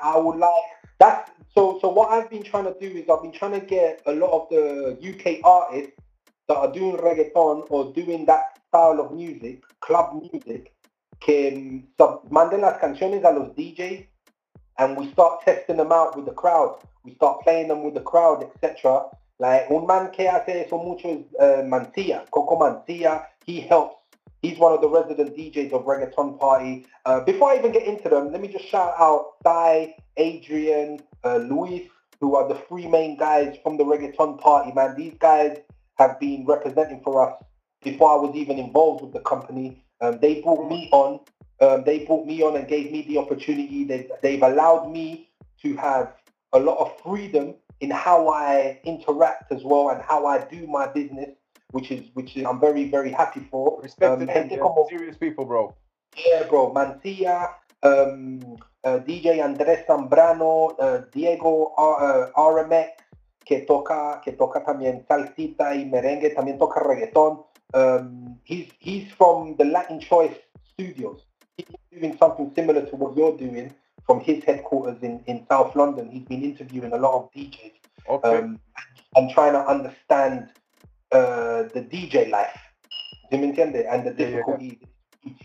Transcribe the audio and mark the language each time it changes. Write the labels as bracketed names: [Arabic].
[English] I would like that. So what I've been trying to do is I've been trying to get a lot of the UK artists that are doing reggaeton or doing that style of music, club music, can [Spanish] manden las canciones a los DJs, [English] and we start testing them out with the crowd. We start playing them with the crowd, etc. [Spanish] Like, un man que hace eso mucho es Mantilla, Coco Mantilla. [English] He helps. He's one of the resident DJs of Reggaeton Party. Before I even get into them, let me just shout out Thai, Adrian, Luis, who are the three main guys from the Reggaeton Party, man. These guys have been representing for us before I was even involved with the company. They brought me on. They brought me on and gave me the opportunity. They've allowed me to have a lot of freedom in how I interact as well and how I do my business, which is I'm very, very happy for. Serious people, bro. Yeah, bro. [Spanish] Mantilla, DJ Andres Zambrano, Diego RMX, que toca también salsita y merengue, también toca reggaeton. [English] He's from the Latin Choice Studios. He's doing something similar to what you're doing from his headquarters in South London. He's been interviewing a lot of DJs. Okay. And trying to understand the DJ life. [Spanish] ¿Sí me entiende? [English] And the difficulties. Yeah.